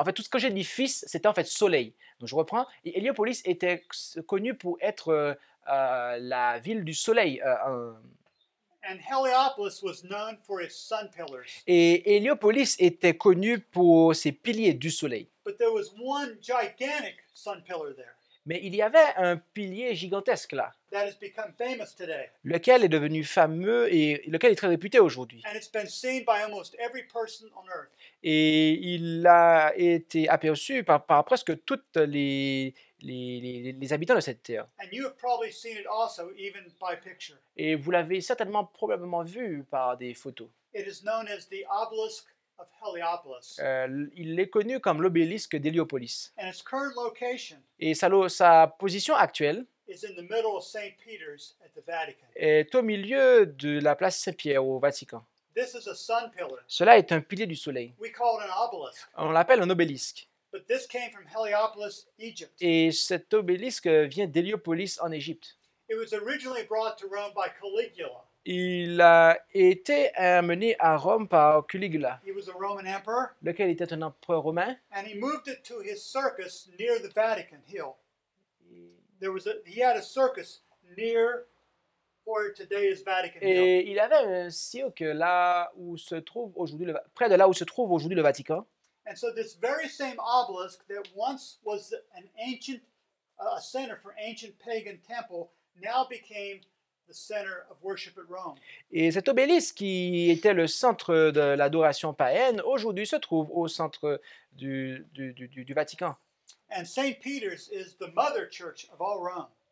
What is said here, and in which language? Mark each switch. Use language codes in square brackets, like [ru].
[fr] En fait, tout ce que j'ai dit fils, c'était en fait soleil. Donc je reprends. Et Héliopolis était connu pour être la ville du soleil. [en] And Heliopolis was known for its sun pillars. [fr] Et Héliopolis était connu pour ses piliers du soleil. [en] But there was one gigantic sun pillar there. [fr] Mais il y avait un pilier gigantesque là. [en] That has become famous today. [fr] Lequel est devenu fameux et lequel est très réputé aujourd'hui. [en] And it's been seen by almost every person on earth. [fr] Et il a été aperçu par presque toutes les habitants de cette terre. [en] And you have probably seen it also, even by picture. [fr] Et vous l'avez certainement probablement vu par des photos. [en] It is known as the obelisk of Heliopolis. [fr] Il est connu comme l'obélisque d'Héliopolis. [en] And its current location [fr] et sa position actuelle [en] is in the middle of Saint Peter's at the Vatican. [fr] Est au milieu de la place Saint-Pierre au Vatican. [en] This is a sun pillar. [fr] Cela est un pilier du soleil. [en] We call it an obelisk. [fr] On l'appelle un obélisque. [en] But this came from Heliopolis, Egypt. [fr] Et cet obélisque vient d'Héliopolis en Égypte. [en] It was originally brought to Rome by Caligula. [fr] Il a été amené à Rome par Caligula. [en] He was a Roman emperor. [fr] Lequel était un empereur romain. [en] And he moved it to his circus near the Vatican Hill. There was he had a circus near where today is Vatican [fr] et [en] Hill. [fr] Et il avait un cirque là où se trouve aujourd'hui près de là où se trouve aujourd'hui le Vatican. [en] And so this very same obelisk that once was an ancient a center for ancient pagan temple now became the center of worship at Rome. [fr] Et cet obélisque qui était le centre de l'adoration païenne aujourd'hui se trouve au centre du Vatican. [en] And Saint Peter's is the mother church of all Rome.